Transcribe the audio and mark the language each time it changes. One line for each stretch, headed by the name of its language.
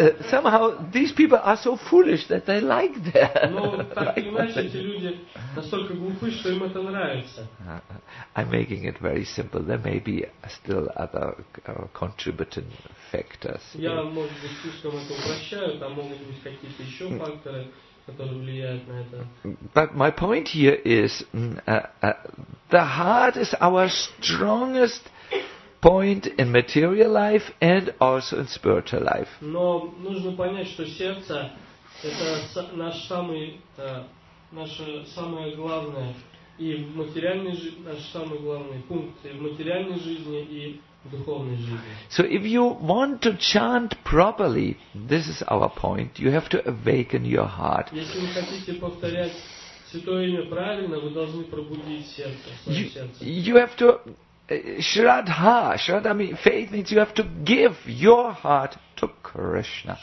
English: Somehow these people are so foolish that they like that.
Russian: Но так или иначе, эти люди настолько глупы, что им это нравится.
English: I'm making it very simple. There may be still other contributing factors.
Russian: Я, может быть, слишком это упрощаю. Там могут быть какие-то еще факторы, которые влияют на это.
English: But my point here is the heart is our strongest point in material life and also in spiritual life.
Russian: Но нужно понять, что сердце это наше самое главное и в материальной жизни наш самый главный пункт и в материальной жизни и в духовной жизни.
English: So if you want to chant properly, this is our point. You have to awaken your heart.
Russian: Если вы хотите повторять святое имя правильно, вы должны пробудить сердце.
English: You have to Shraddha, Shraddha means faith means you have to give your heart to Krishna.